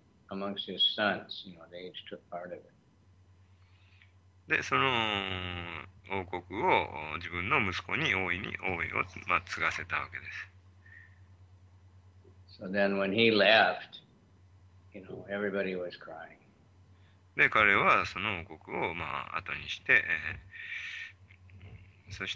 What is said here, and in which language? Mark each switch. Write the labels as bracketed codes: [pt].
[en] amongst his sons, you know, they each took part of it. [ja] で、その王国を自分の息子に大いに王位を、まあ、継がせたわけです。 [en] So then when he left, you know, everybody was crying. [ja] で、彼はその王国を、まあ、後にして、そし